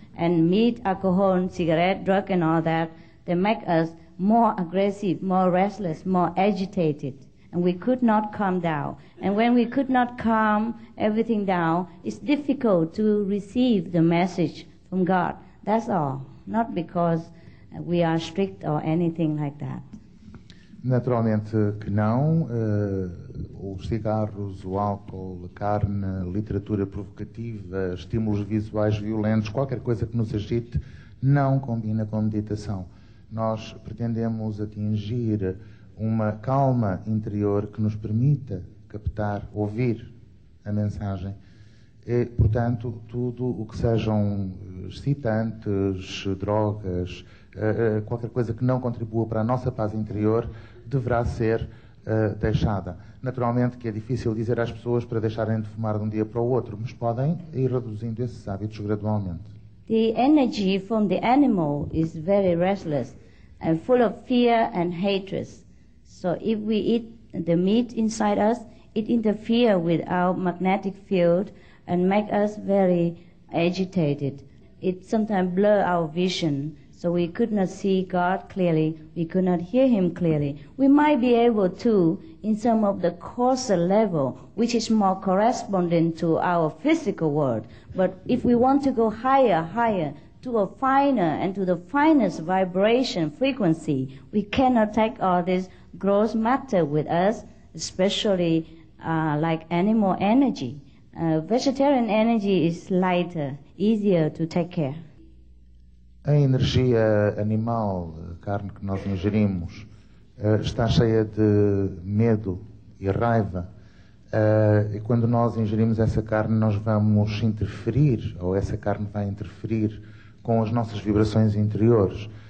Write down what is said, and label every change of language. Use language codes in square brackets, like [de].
[en] And meat, alcohol, cigarette, drug and all that, they make us more aggressive, more restless, more agitated, and we could not calm down. And when we could not calm everything down, it's difficult to receive the message from God. That's all. Not because we are strict or anything like that. [pt] Naturalmente que não. Os cigarros, o álcool, a carne, a literatura provocativa, estímulos visuais violentos, qualquer coisa que nos agite, não combina com meditação. Nós pretendemos atingir uma calma interior que nos permita captar, ouvir a mensagem. E, portanto, tudo o que sejam excitantes, drogas, qualquer coisa que não contribua para a nossa paz interior, deverá ser deixada. Naturalmente que é difícil dizer às pessoas para deixarem de fumar de um dia para o outro, mas podem ir reduzindo esses hábitos gradualmente. [en] The energy from the animal is very restless and full of fear and hatred. So if we eat the meat inside us, it interferes with our magnetic field and makes us very agitated. It sometimes blurs our vision. So we could not see God clearly, we could not hear Him clearly. We might be able to, in some of the coarser level, which is more corresponding to our physical world, but if we want to go higher, higher, to a finer and to the finest vibration frequency, we cannot take all this gross matter with us, especially like animal energy. Vegetarian energy is lighter, easier to take care. [pt] A energia animal, a carne que nós ingerimos, está cheia de medo e raiva. E quando nós ingerimos essa carne, nós vamos interferir, ou essa carne vai interferir com as nossas vibrações interiores.